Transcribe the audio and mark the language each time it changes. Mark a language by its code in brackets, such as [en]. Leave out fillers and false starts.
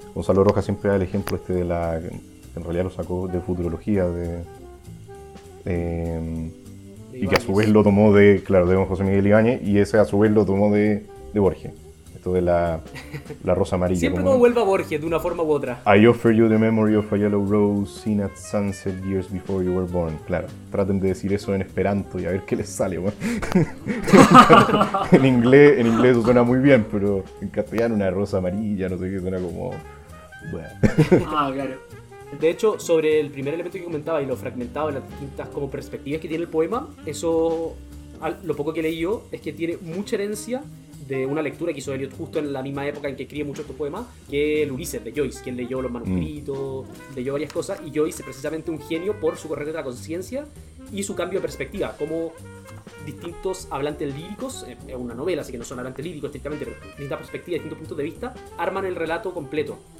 [es] Gonzalo Rojas siempre da el ejemplo este de la... En realidad lo sacó de Futurología, y que a su vez lo tomó de... Claro, de José Miguel Ibáñez, y ese a su vez lo tomó de Borges. Esto de la rosa amarilla. Siempre como vuelve a Borges, de una forma u otra. [en] I offer you the memory of a yellow rose seen at sunset years before you were born. [es] Claro, traten de decir eso en esperanto y a ver qué les sale. en inglés eso suena muy bien, pero en castellano una rosa amarilla, no sé qué, suena como... Bueno. Ah, claro. De hecho, sobre el primer elemento que comentaba y lo fragmentado en las distintas como perspectivas que tiene el poema, eso, lo poco que leí yo, es que tiene mucha herencia de una lectura que hizo Eliot justo en la misma época en que escribe mucho estos poemas, que el Ulises de Joyce, quien leyó los manuscritos, leyó varias cosas, y Joyce es precisamente un genio por su corriente de la conciencia y su cambio de perspectiva, como distintos hablantes líricos, es una novela, así que no son hablantes líricos estrictamente, pero distintas perspectivas, distintos puntos de vista, arman el relato completo.